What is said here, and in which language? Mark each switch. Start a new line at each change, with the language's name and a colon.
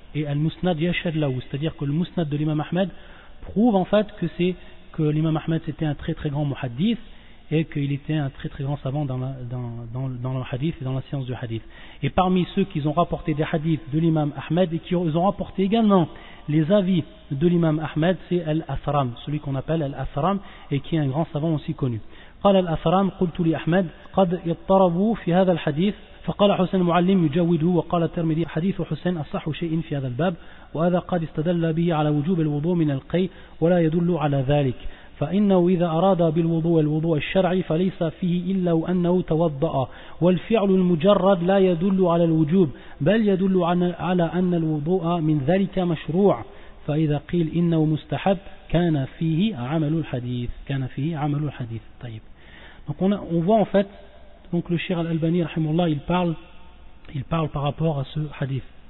French: Et
Arabic: al-Musnad yashhad lahu,
French: c'est-à-dire que le Musnad de l'imam Ahmed prouve en fait que l'imam Ahmed c'était un très très grand muhadith et qu'il était un très très grand savant dans le hadith et dans la science du hadith. Et parmi ceux qui ont rapporté des hadiths de l'imam Ahmed et qui ont rapporté également les avis de l'imam Ahmed, c'est al-Atharam, celui qu'on appelle al-Atharam et qui est un grand savant aussi connu.
Arabic: قال الأثرام قلت لي أحمد قد اضطربوا في هذا الحديث فقال حسين المعلم يجوده وقال الترمذي حديث حسين أصح شيء في هذا الباب وهذا قد استدل به على وجوب الوضوء من القي ولا يدل على ذلك فإنه إذا أراد بالوضوء الوضوء الشرعي فليس فيه إلا أنه توضأ والفعل المجرد لا يدل على الوجوب بل يدل على أن الوضوء من ذلك مشروع فإذا قيل إنه مستحب Kana fihi amalul hadith. Kana fihi amalul hadith. Taïb.
French: Donc on voit en fait, donc le Cheikh Al-Albani, rahimullah, il parle par rapport à ce hadith.